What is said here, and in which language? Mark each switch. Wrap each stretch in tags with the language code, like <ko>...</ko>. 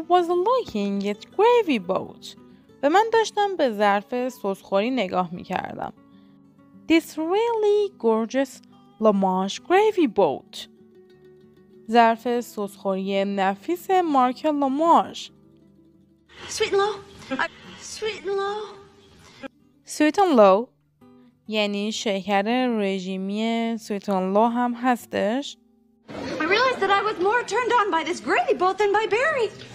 <en>And I was looking at this gravy boat.</en> <fa>و من داشتم به ظرف سسخوری نگاه میکردم.</fa> <en>This really gorgeous Limoges gravy boat.</en> <fa>ظرف سسخوری نفیس مارک Limoges.</fa> <en>Sweet and low.</en> <fa>یعنی شکر رژیمی سویت آن لو هم هستش.</fa> <en>I realized that I was more turned on by this gravy boat than by Barry.</en>